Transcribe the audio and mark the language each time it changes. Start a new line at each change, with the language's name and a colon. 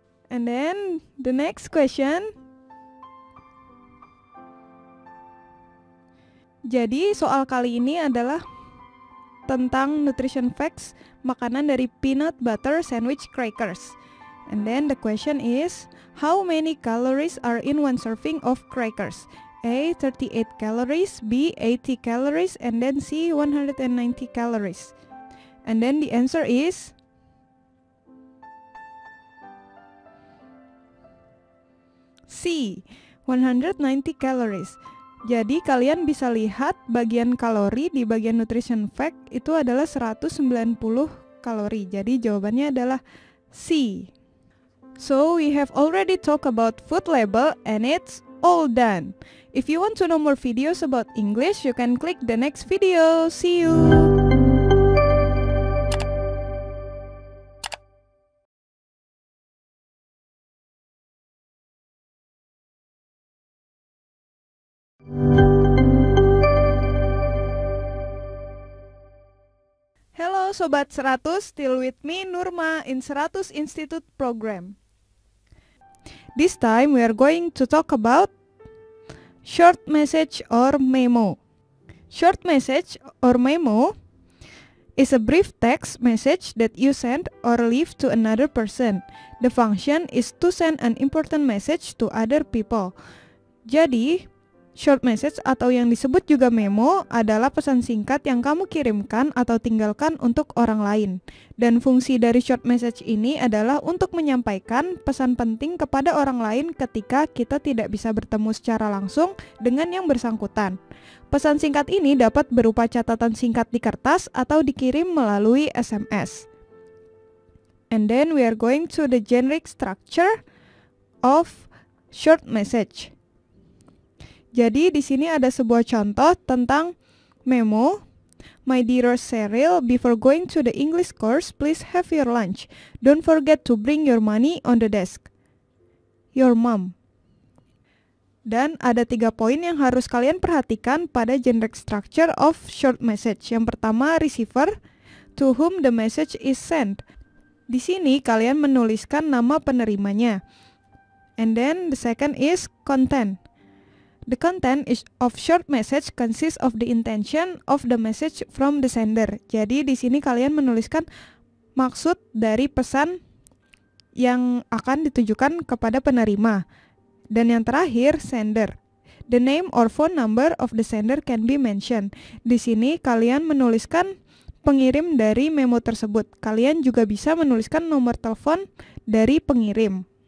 English: And then, the next question.
Indonesian: Jadi, soal kali ini adalah tentang nutrition facts makanan dari peanut butter sandwich crackers.
English: And then the question is, how many calories are in one serving of crackers? A. 38 calories, B. 80 calories, and then C. 190 calories. And then the answer is, C. 190 calories.
Indonesian: Jadi kalian bisa lihat bagian kalori di bagian nutrition fact itu adalah 190 kalori. Jadi jawabannya adalah C.
English: So we have already talked about food label and it's all done. If you want to know more videos about English, you can click the next video. See you!
Indonesian: Halo Sobat 100,
English: still with me Nurma in 100 Institute Program. This time we are going to talk about short message or memo. Short message or memo is a brief text message that you send or leave to another person. The function is to send an important message to other people.
Indonesian: Jadi, short message atau yang disebut juga memo adalah pesan singkat yang kamu kirimkan atau tinggalkan untuk orang lain. Dan fungsi dari short message ini adalah untuk menyampaikan pesan penting kepada orang lain ketika kita tidak bisa bertemu secara langsung dengan yang bersangkutan. Pesan singkat ini dapat berupa catatan singkat di kertas atau dikirim melalui SMS.
English: And then we are going to the generic structure of short message.
Indonesian: Jadi di sini ada sebuah contoh tentang memo.
English: My dear Cyril, before going to the English course, please have your lunch. Don't forget to bring your money on the desk. Your mom.
Indonesian: Dan ada 3 poin yang harus kalian perhatikan pada
English: generic structure of short message.
Indonesian: Yang pertama,
English: receiver, to whom the message is sent.
Indonesian: Di sini kalian menuliskan nama penerimanya.
English: And then the second is content. The content is of short message consists of the intention of the message from the sender.
Indonesian: Jadi di sini kalian menuliskan maksud dari pesan yang akan ditujukan kepada penerima. Dan yang terakhir, sender.
English: The name or phone number of the sender can be mentioned.
Indonesian: Di sini kalian menuliskan pengirim dari memo tersebut. Kalian juga bisa menuliskan nomor telepon dari pengirim.